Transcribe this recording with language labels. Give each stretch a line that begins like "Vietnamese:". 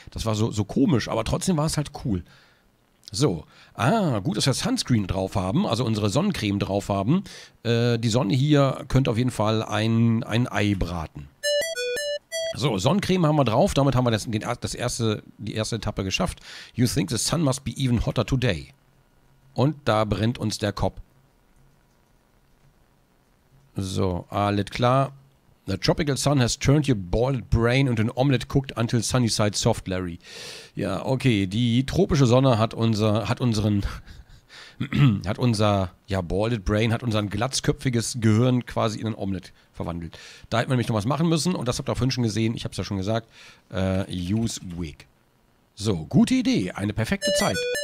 German: Das war so komisch, aber trotzdem war es halt cool. So, gut, dass wir Sunscreen drauf haben, also unsere Sonnencreme drauf haben. Die Sonne hier könnte auf jeden Fall ein Ei braten. So, Sonnencreme haben wir drauf, damit haben wir die erste Etappe geschafft.
English: You think the sun must be even hotter today.
German: Und da brennt uns der Kopf. So, alles klar.
English: The tropical sun has turned your boiled brain into an omelette cooked until sunny side soft, Larry.
German: Ja, okay. Die tropische Sonne hat unser glatzköpfiges Gehirn quasi in ein Omelette verwandelt. Da hätten wir nämlich noch was machen müssen und das habt ihr vorhin schon gesehen. Ich hab's ja schon gesagt.
English: Use wig.
German: So, gute Idee. Eine perfekte Zeit.